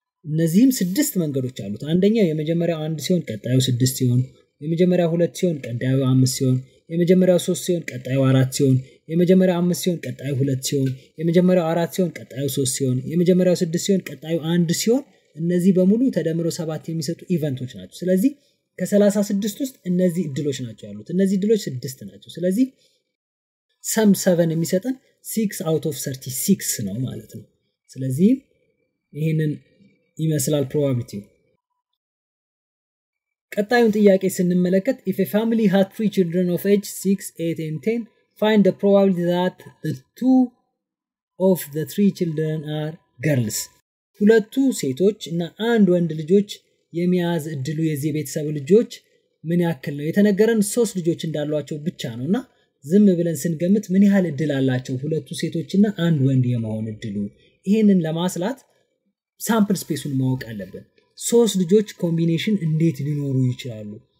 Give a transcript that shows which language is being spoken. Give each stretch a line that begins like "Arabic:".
Amharic: እነዚህም 6 መንገዶች አሉት። አንደኛው የመጀመሪያው 1 ሲሆን ቀጣዩ 6 ሲሆን፣ የመጀመሪያው 2 ሲሆን ቀጣዩ 5 ሲሆን፣ የመጀመሪያው 3 ሲሆን ቀጣዩ 4 ሲሆን፣ የመጀመሪያው 5 ሲሆን ቀጣዩ 2 ሲሆን፣ የመጀመሪያው 4 ሲሆን ቀጣዩ 3 ሲሆን፣ የመጀመሪያው 6 ሲሆን ቀጣዩ 1 ሲሆን፣ እነዚህ በሙሉ ተደምረው 7 የሚሰጡ ኢቨንቶች ናቸው። ስለዚህ ከ36 ውስጥ እነዚህ እድሎች ናቸው ያሉት። እነዚህ እድሎች 6 ናቸው። ስለዚህ ሰም 7 የሚሰጠን 6 out of 36 ነው ማለት ነው። ስለዚህ ይሄንን ይመስላል probability. ቀጣዩን ጥያቄ ስንመለከት
English: if a family had 3 children of age 6, 8 and 10 find the probability that the 2 of the 3 children are girls.
Amharic: ሁለቱ ሴቶች እና አንድ ወንድ ልጆች የሚያዝ እድሉ የዚህ ቤተሰብ ልጆች ምን ያክል ነው? የተነገረን 3 ልጆች እንዳሏቸው ብቻ ነውና ዝም ብለን ስንገምት ምን ያህል እድል አላቸው ሁለቱ ሴቶች እና አንድ ወንድ የመሆን እድሉ? ይሄንን ለማስላት sample space-ን ማወቅ አለብን። 3 ልጆች ኮምቢኔሽን እንዴት ሊኖሩ ይችላሉ?